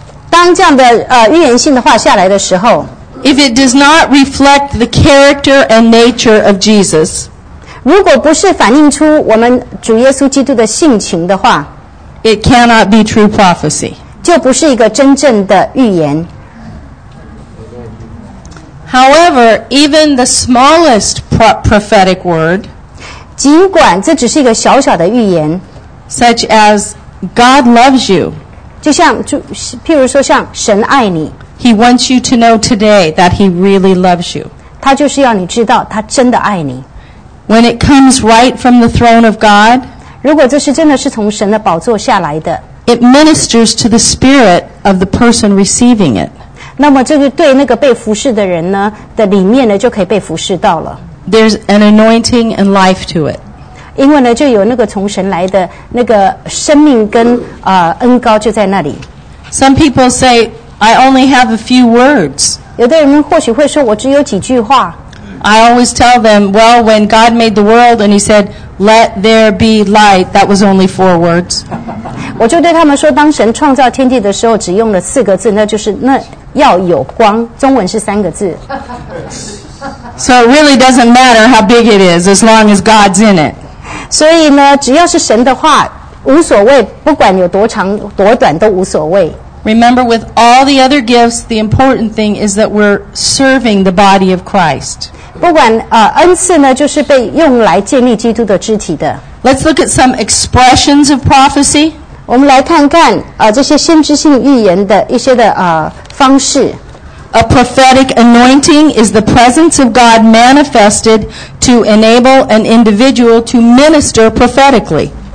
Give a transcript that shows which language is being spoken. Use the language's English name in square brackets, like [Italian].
[Chinese] 当这样的预言性的话下来的时候。 [English] If it does not reflect the character and nature of Jesus, [Chinese] 如果不是反映出我们主耶稣基督的性情的话 [English] it cannot be true prophecy. [Chinese] 就不是一个真正的预言。 [English] However, even the smallest prophetic word, [Chinese] 尽管这只是一个小小的预言 [English] such as God loves you, [Chinese] 就像譬如说像神爱你 [English] He wants you to know today that He really loves you. [Chinese] 他就是要你知道他真的爱你。 [English] When it comes right from the throne of God, [Chinese] 如果这是真的是从神的宝座下来的, [English] it ministers to the spirit of the person receiving it. [Chinese] 那么这个对那个被服侍的人呢的里面呢就可以被服侍到了。 [English] There's an anointing and life to it. [Chinese] 因为呢就有那个从神来的那个生命跟恩膏就在那里。 [English] Some people say, I only have a few words. [Chinese] 有的人或许会说我只有几句话。 [English] I always tell them, well, when God made the world and He said, let there be light, that was only four words. [Chinese] 我就对他们说当神创造天地的时候只用了四个字那就是那要有光中文是三个字。 [English] So it really doesn't matter how big it is as long as God's in it. [Chinese] 所以呢只要是神的话无所谓不管有多长多短都无所谓。 [English] Remember, with all the other gifts, the important thing is that we're serving the body of Christ. [Chinese] 不管恩赐呢，就是被用来建立基督的肢体的。 [English] Let's look at some expressions of prophecy. [Chinese] 我们来看看这些先知性预言的一些的方式。 [English] A prophetic anointing is the presence of God manifested to enable an individual to minister prophetically.